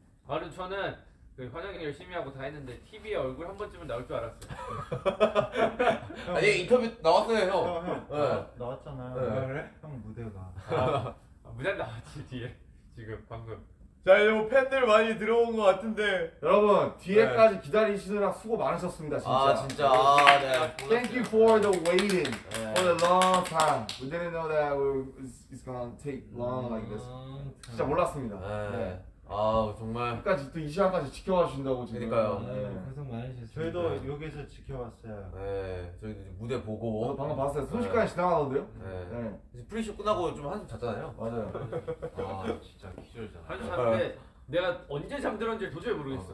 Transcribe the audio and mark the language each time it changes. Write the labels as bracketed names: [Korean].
[Korean] 말은 저는 그 환영 열심히 하고 다 했는데 TV에 얼굴 한 번쯤은 나올 줄 알았어요 아니 인터뷰 나왔어요 형, 네. 어, 나왔잖아요 네. 그래? 형 무대가 아, 무대 나왔지 뒤에 지금 방금 자 이제 뭐 팬들 많이 들어온 것 같은데 여러분 뒤에까지 네. 기다리시느라 수고 많으셨습니다 진짜 아 진짜 아, 네 [English] Thank you for the waiting [Korean] 네. [English] for the long time We didn't know that it's gonna take long like this [Korean] 진짜 몰랐습니다 네아 네. 정말 끝까지 또 이 시간까지 지켜봐 주신다고 그러니까요 네 고생 많으셨습니다 저희도 여기서 지켜봤어요 네 저희도 이제 무대 보고 저도 방금 봤어요 순식간에 네. 지나가던데요 네. 네 이제 프리쇼 끝나고 좀 한숨 잤잖아요 맞아요 아 진짜 기절이잖아 한숨 잤는데 내가 언제 잠들었는지 도저히 모르겠어